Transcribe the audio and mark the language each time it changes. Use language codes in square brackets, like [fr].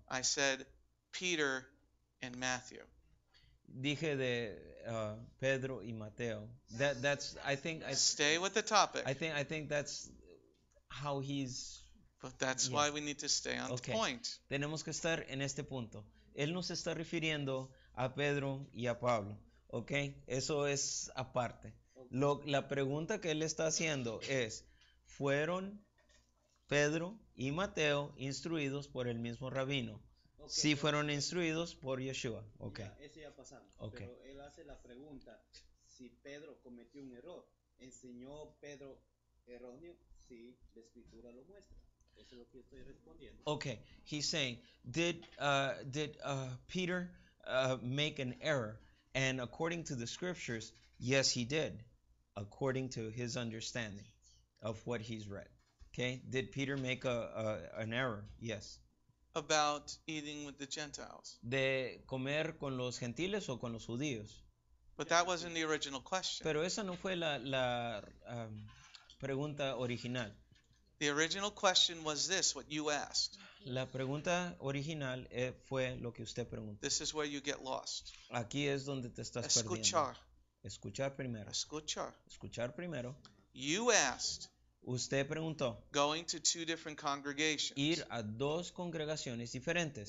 [en] I said Peter. And Matthew. [es] Dije de Pedro y Mateo. [en] That's, I think. Stay with the topic. I think that's, how he's. But that's why we need to stay on the point. [es] Tenemos que estar en este punto. Él nos está refiriendo a Pedro y a Pablo. Okay, eso es aparte. La pregunta que él está haciendo es, ¿fueron Pedro y Mateo instruidos por el mismo rabino? Okay. Sí, fueron instruidos por Yeshua. Okay. Ya, eso ya pasamos. Okay. Pero él hace la pregunta, si Pedro cometió un error, ¿enseñó Pedro erróneo? Sí, la escritura lo muestra. Eso es lo que estoy respondiendo. [en] Okay, he's saying, did Peter make an error? And according to the scriptures, yes, he did, according to his understanding of what he's read. Okay? Did Peter make an error? Yes. About eating with the Gentiles. [es] De comer con los gentiles o con los judíos. [en] But that wasn't the original question. [es] Pero esa no fue la pregunta original. [en] The original question was this, what you asked. [es] La pregunta original fue lo que usted preguntó. [en] This is where you get lost. [es] Aquí es donde te estás escuchar. Perdiendo. Escuchar primero. Escuchar. Escuchar primero. [en] You asked. [es] Usted preguntó. [en] Going to two different congregations. [es] Ir a dos congregaciones diferentes.